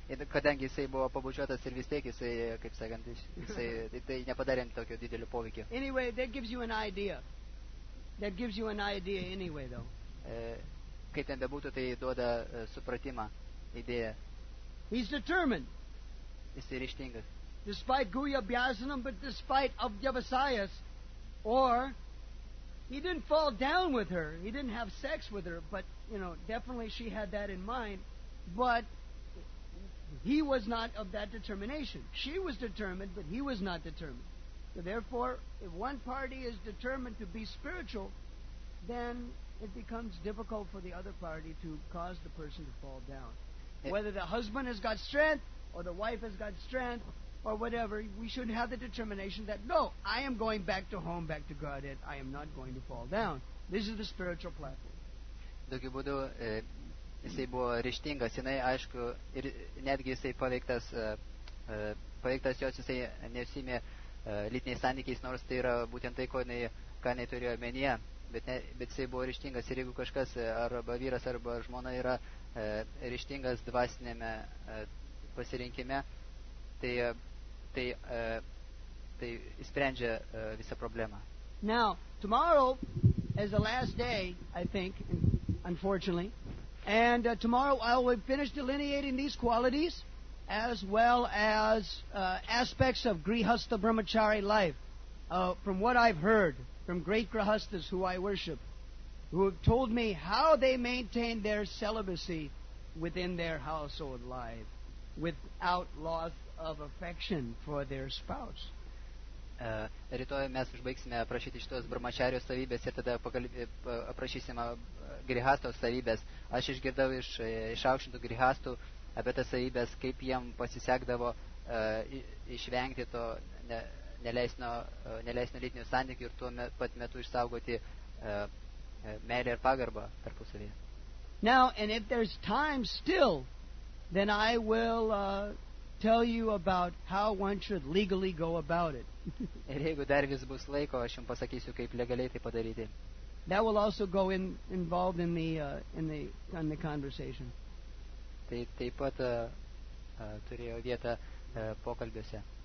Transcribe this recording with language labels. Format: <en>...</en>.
<lt>Kadangi jisai buvo pabučiuotas ir vis tiek jisai, kaip sakant, jisai tai nepadarė tokio didelio poveikio.</lt> <en>Anyway, that gives you an idea. That gives you an idea anyway, though.</en> <lt>Kaip ten bebūtų, tai duoda supratimą, idėją.</lt> <en>He's determined.</en> <lt>Jisai ryštingas.</lt> <en>Despite Guya Byasanam, but despite Avyavasayas, or he didn't fall down with her, he didn't have sex with her, but, you know, definitely she had that in mind, but he was not of that determination. She was determined, but he was not determined. So therefore, if one party is determined to be spiritual, then it becomes difficult for the other party to cause the person to fall down. Whether the husband has got strength, or the wife has got strength, or whatever, we should have the determination that, no, I am going back to home, back to Godhead, I am not going to fall down. This is the spiritual platform.</en> <lt>Tokiu būdu, jisai buvo ryštingas, jinai, aišku, ir netgi jisai paveiktas jos, jisai nesimė lytiniais santykiais, nors tai yra būtent tai, ką jinai turėjo menyje, bet jisai buvo ryštingas, ir jeigu kažkas, arba vyras, arba žmona yra ryštingas dvasinėme pasirinkime, tai išsprendžia visą problemą.</lt> <en>Now, tomorrow is the last day, I think, unfortunately. And tomorrow I will finish delineating these qualities as well as aspects of grihastha brahmachari life. From what I've heard from great grihasthas who I worship, who have told me how they maintain their celibacy within their household life without loss of affection for their spouse.</en> <lt>Rytoj mes užbaigsime aprašyti šitos brahmačario savybės ir tada aprašysime grihasto savybės. Aš išgirdau iš išaukštintų grihastų apie tas savybės, kaip jiem pasisekdavo išvengti to neleisno lytinio santykių ir tuo pat metu išsaugoti meilę ir pagarbą tarpusavyje.</lt> <en>Now, and if there's time still, then I will tell you about how one should legally go about it.</en> <lt>Ir jeigu dar vis bus laiko, aš jums pasakysiu, kaip legaliai tai padaryti.</lt> <en>That will also go in involved in the in the in the conversation.</en> <lt>Tai taip pat turėjo vietą pokalbiuose.</lt>